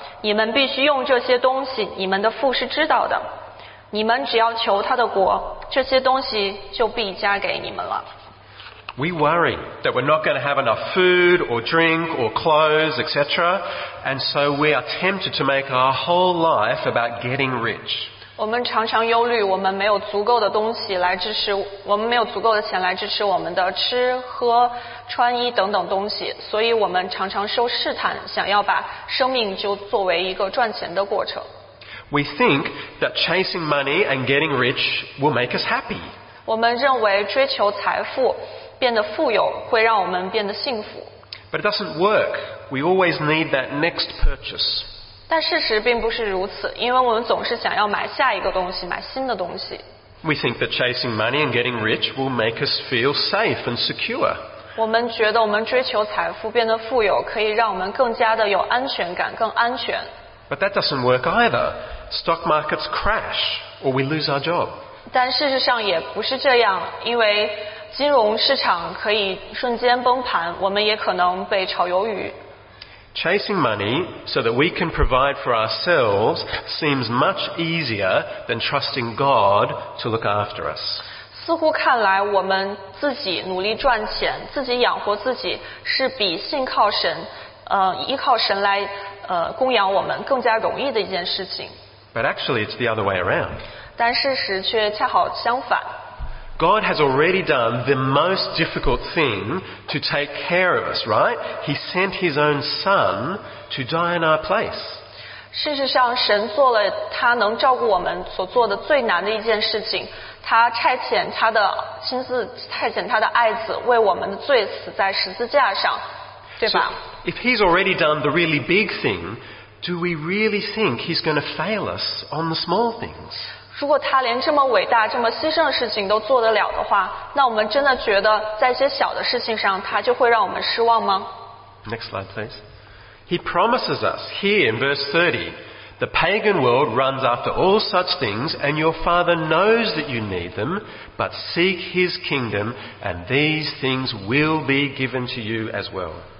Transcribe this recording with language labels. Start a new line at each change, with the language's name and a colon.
Chinese: 你们必须用这些东西，你们的父是知道的。你们只要求他的国，这些东西就必加给你们了。
English: We worry that we're not going to have enough food or drink or clothes, etc. And so we are tempted to make our whole life about getting rich.
Chinese: 我们常常忧虑，我们没有足够的东西来支持，我们没有足够的钱来支持我们的吃喝穿衣等等东西，所以我们常常受试探，想要把生命就作为一个赚钱的过程。
English: We think that chasing money and getting rich will make us happy.
Chinese: 我们认为追求财富，变得富有，会让我们变得幸福。
English: But it doesn't work. We always need that next purchase.
Chinese: 但事实并不是如此，因为我们总是想要买下一个东西，买新的东西。
English: We think that chasing money and getting rich will make us feel safe and secure.
Chinese: 我们觉得我们追求财富，变得富有，可以让我们更加的有安全感，更安全。
English: But that doesn't work either. Stock markets crash, or we lose our job.
Chinese: 但事实上也不是这样，因为金融市场可以瞬间崩盘，我们也可能被炒鱿鱼。
English: Chasing money so that we can provide for ourselves seems much easier than trusting God to look after us.
Chinese: 似乎看来，我们自己努力赚钱，自己养活自己，是比信靠神，依靠神来。供养我们更加容易的一件事情。
English: But actually, it's the other way around.
Chinese: 但事实却恰好相反。
English: God has already done the most difficult thing to take care of us, right? He sent His own Son to die in our place.
Chinese: 事实上，神做了他能照顾我们所做的最难的一件事情。他差遣他的爱子为我们的罪死在十字架上，对吧？
English: So, if He's already done the really big thing, do we really think He's going to fail us on the small things?
Chinese: 如果他连这么伟大、这么牺牲的事情都做得了的话，那我们真的觉得在一些小的事情上，他就会让我们失望吗？
English: Next slide, please. He promises us here in verse 30. The pagan world runs after all such things, and your Father knows that you need them, but seek His kingdom, and these things will be given to you as well.